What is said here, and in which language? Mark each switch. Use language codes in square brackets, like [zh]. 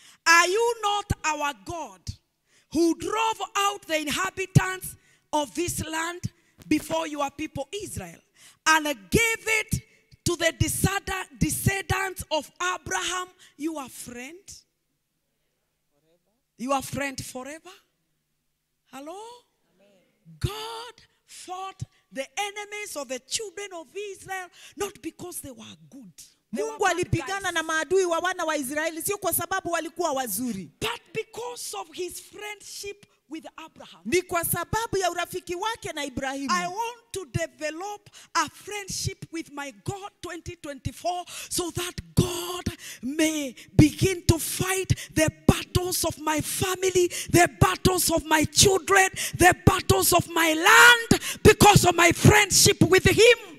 [en] Are you not our God who drove out the inhabitants of this land before your people Israel and gave it to the descendants of Abraham, your friend? Your friend forever? Hello? God fought the enemies of the children of Israel not because they were good. [sw] Mungu alipigana na maadui wa wana wa Israeli sio kwa sababu walikuwa wazuri. [en] But because of his friendship with Abraham. [sw] Ni kwa sababu ya urafiki wake na Ibrahimu. [en] I want to develop a friendship with my God 2024 so that God may begin to fight the battles of my family, the battles of my children, the battles of my land because of my friendship with him.